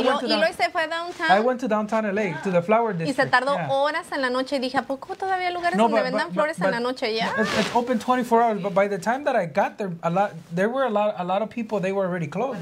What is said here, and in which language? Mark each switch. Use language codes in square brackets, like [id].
[en] went to downtown LA, yeah, to the flower district. [es] Y se tardó horas en la noche. Y dije, ¿a poco todavía hay lugares donde vendan flores en la noche? [en] It's open 24 hours, but by the time that I got there, there were a lot of people, they were already closed.